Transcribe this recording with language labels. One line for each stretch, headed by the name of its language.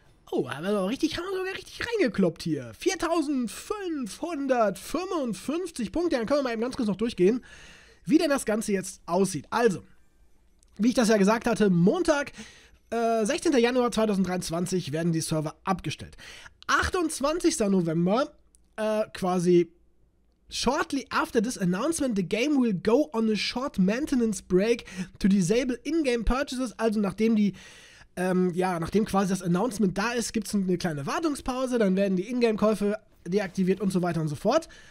German: Oh, haben wir sogar richtig reingekloppt hier. 4555 Punkte. Dann können wir mal eben ganz kurz noch durchgehen, wie denn das Ganze jetzt aussieht. Also. Wie ich das ja gesagt hatte, Montag, 16. Januar 2023 werden die Server abgestellt. 28.
English: November, quasi shortly after this announcement, the game will go on a short maintenance break to disable in-game purchases.
German: Also nachdem die, nachdem quasi das Announcement da ist, gibt es eine kleine Wartungspause, dann werden die In-game-Käufe deaktiviert und so weiter und so fort.